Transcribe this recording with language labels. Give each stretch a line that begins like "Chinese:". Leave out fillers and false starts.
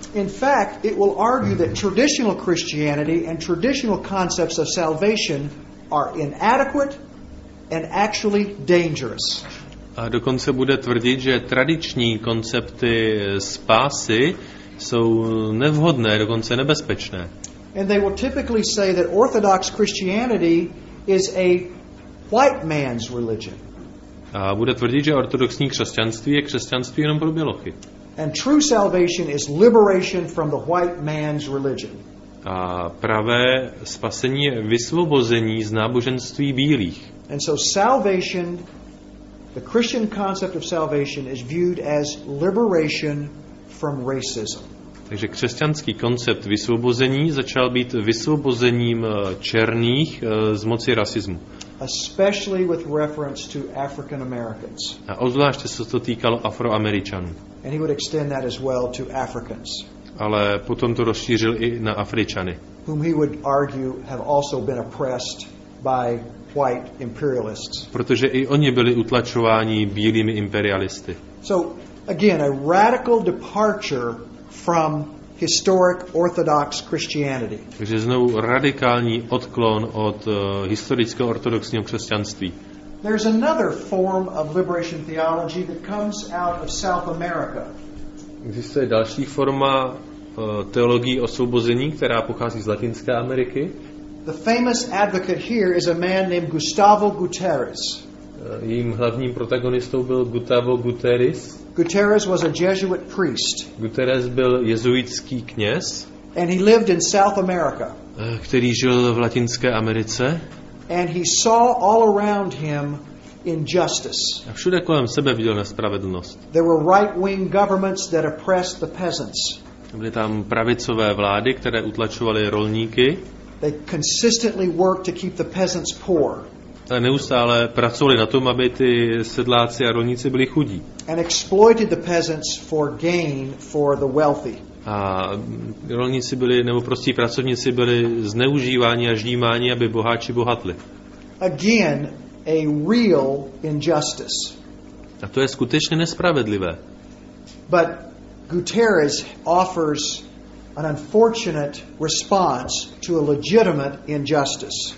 English: In fact, it will argue that traditional Christianity and traditional concepts of salvation are inadequate and actually dangerous.
Czech: A dokonce bude tvrdit, že tradiční koncepty spásy jsou nevhodné, dokonce nebezpečné.
English: And they will typically say that Orthodox Christianity is a white man's religion.
Czech: A bude tvrdit, že ortodoxní křesťanství je křesťanství jenom pro bělochy.
English: And true salvation is liberation from the white man's religion.
Czech: A pravé spasení je vysvobození z náboženství bílých.
English: And so salvation, the Christian concept of salvation is viewed as liberation from racism.
Czech: Takže křesťanský koncept vysvobození začal být vysvobozením černých z moci rasismu.
English: Especially with reference to African Americans.
Czech: A obzvláště se to týkalo Afroameričanů.
English: And he would extend that as well to Africans.
Czech: Ale potom to rozšířil i na Afričany.
English: Whom he would argue have also been oppressed by white imperialists.
Czech: Protože i oni byli utlačováni bílými imperialisty.
English: So again, a radical departure from historic orthodox Christianity.
Czech: Takže znovu radikální odklon od historického ortodoxního křesťanství.
English: There's another form of liberation theology that comes out of South America.
Czech: Existuje další forma teologie osvobození, která pochází z Latinské Ameriky.
English: The famous advocate here is a man named Gustavo Gutierrez.
Czech: Jejím hlavním protagonistou byl Gustavo Gutierrez.
English: Gutierrez was a Jesuit priest.
Czech: Gutierrez byl jezuitský kněz.
English: And he lived in South America.
Czech: Který žil v Latinské Americe.
English: And he saw all around him injustice.
Czech: A všude kolem sebe viděl nespravedlnost.
English: There were right-wing governments that oppressed the peasants.
Czech: Byly tam pravicové vlády, které utlačovaly rolníky.
English: They consistently worked to keep the peasants poor.
Czech: A neustále pracovali na tom, aby ty sedláci a rolníci byli chudí.
English: And exploited the peasants for gain for the wealthy.
Czech: A rolníci byli, nebo prostí pracovníci byli zneužíváni a ždímáni, aby boháči bohatli.
English: Again, a real injustice.
Czech: A to je skutečně nespravedlivé.
English: But Gutierrez offers an unfortunate response to a legitimate injustice.